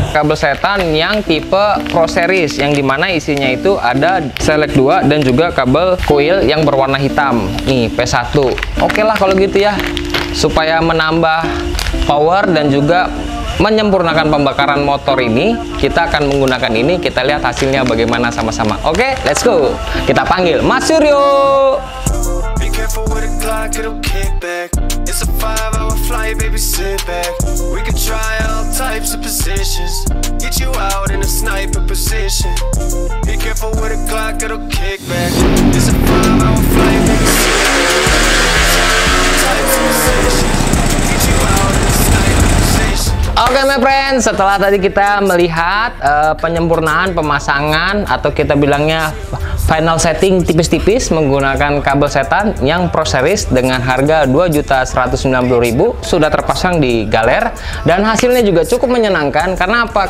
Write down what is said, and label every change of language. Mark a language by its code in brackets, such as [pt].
[id] Kabel setan yang tipe Pro Series, yang dimana isinya itu ada select 2 dan juga kabel coil yang berwarna hitam. Nih, P1. Oke lah kalau gitu ya. Supaya menambah power dan juga menyempurnakan pembakaran motor ini, kita akan menggunakan ini. Kita lihat hasilnya bagaimana sama-sama. Oke, [en] let's go. [id] Kita panggil Mas Suryo. [en] Be careful with the clock, it'll kick back. It's a 5-hour flight, baby, sit back. We can try all types of positions. Get you out in a sniper position. Be careful with the clock, it'll kick back. It's a 5-hour flight, baby, sit back. [id] Oke, [en] my friend, [id] setelah tadi kita melihat penyempurnaan pemasangan, atau kita bilangnya final setting tipis-tipis menggunakan kabel setan yang Pro Series dengan harga Rp2.190.000 sudah terpasang di galer, dan hasilnya juga cukup menyenangkan. Karena apa?